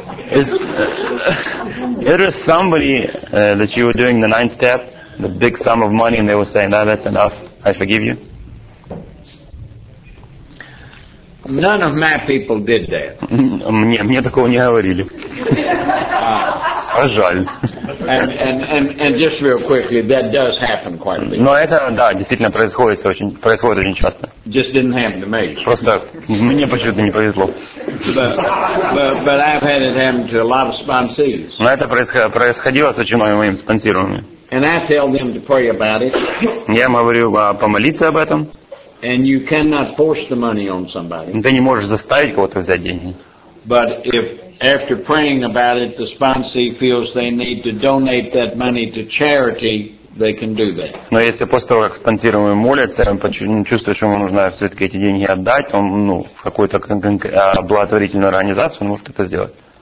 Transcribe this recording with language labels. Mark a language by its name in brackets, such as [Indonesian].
[English] There was somebody that you were doing the ninth step, the big sum of money, and they were saying, "No, that's enough. I forgive you." None of my people did that. [Russian] Мне такого не говорили. А жаль. [English] And just real quickly, that does happen quite a bit. [Russian] Но это, да, действительно происходит очень часто. [English] Just didn't happen to me. [Russian] Просто мне почему-то не повезло. [English] But I've had it happen to a lot of sponsees. [Russian] Но это происходило с очень многими спонсорами. [English] And I tell them to pray about it. [Russian] Я им говорю помолиться об этом. [English] And you cannot force the money on somebody. [Russian] Ты не можешь заставить кого-то взять деньги. [English] But if after praying about it, the sponsee feels they need to donate that money to charity, they can do that. [Russian] Но если после того, как спонсируемый молится, он чувствует, что ему нужно все-таки эти деньги отдать, он, ну, в какую-то благотворительную организацию, он может это сделать.